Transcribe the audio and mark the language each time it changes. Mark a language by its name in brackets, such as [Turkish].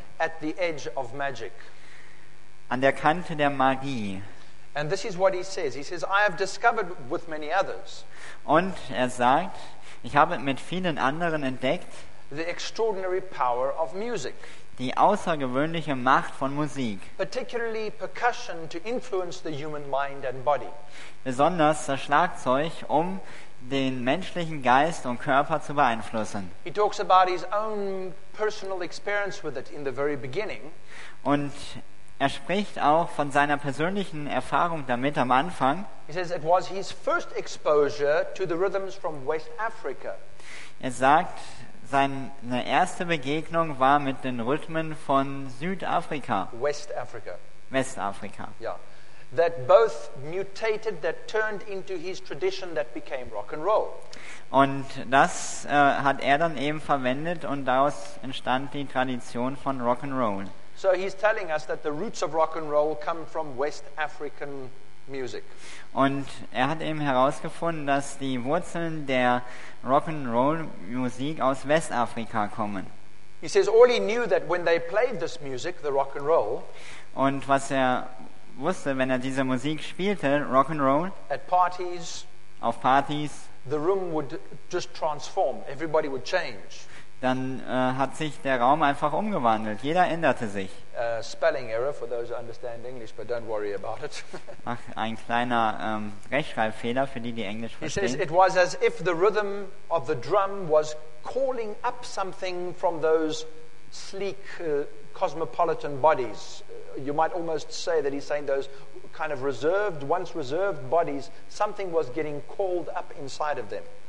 [English] At the edge of magic. [German] An der Kante der Magie. [English] And this is what he says. He says, I have discovered with many others. [German] Und er sagt, ich habe mit vielen anderen entdeckt. [English] The extraordinary power of music. [German] Die außergewöhnliche Macht von Musik. [English] Particularly percussion to influence the human mind and body. [German] Besonders das Schlagzeug, um den menschlichen Geist und Körper zu beeinflussen. [English] He talks about his own personal experience with it in the very beginning. [German] Und er spricht auch von seiner persönlichen Erfahrung damit am Anfang. [English] He says it was his first exposure to the rhythms from West Africa. [German] Er sagt, seine erste Begegnung war mit den Rhythmen von Südafrika. [English] West Africa. [German] Westafrika. [English] Yeah. that both mutated, that turned into his tradition that became rock and roll. [German] Und das hat dann eben verwendet und daraus entstand die Tradition von Rock and Roll. [English] So he's telling us that the roots of rock and roll come from West African music. [German] Und hat eben herausgefunden, dass die Wurzeln der Rock and Roll Musik aus Westafrika kommen. [English] He says all he knew that when they played this music, the rock and roll. [German] Und was wusste, wenn diese Musik spielte, Rock and Roll, [English] at parties, [German] auf Partys, [English] the room would just transform. Everybody would change. [German] Dann hat sich der Raum einfach umgewandelt. Jeder änderte sich. [English] Spelling error for those who understand English, but don't worry about it. [German] Ach, ein kleiner Rechtschreibfehler für die Englisch verstehen. [English] He says it was as if the rhythm of the drum was calling up something from those sleek cosmopolitan bodies. You might almost say that he's saying those kind of reserved, once reserved bodies, something was getting called up inside of them.